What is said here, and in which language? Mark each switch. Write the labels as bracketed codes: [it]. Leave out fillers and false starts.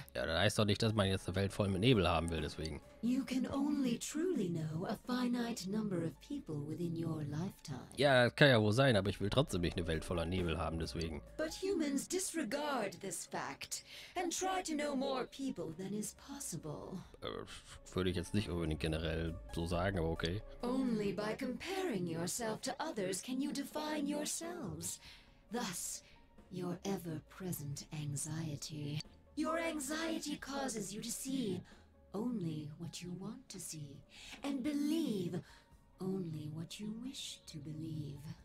[de] Ja, das heißt doch nicht, dass man jetzt eine Welt voll mit Nebel haben will, deswegen. [en] You can only truly know a finite number of people within your lifetime. [de] Ja, kann ja wohl sein, aber ich will trotzdem nicht eine Welt voller Nebel haben, deswegen. [en] But humans disregard this fact and try to know more people than is possible. [de] Würde ich jetzt nicht unbedingt generell so sagen, aber okay. [en] Only by comparing yourself to others can you define yourselves. Thus, your ever-present anxiety. Your anxiety causes you to see only what you want to see, and believe only what you wish to believe.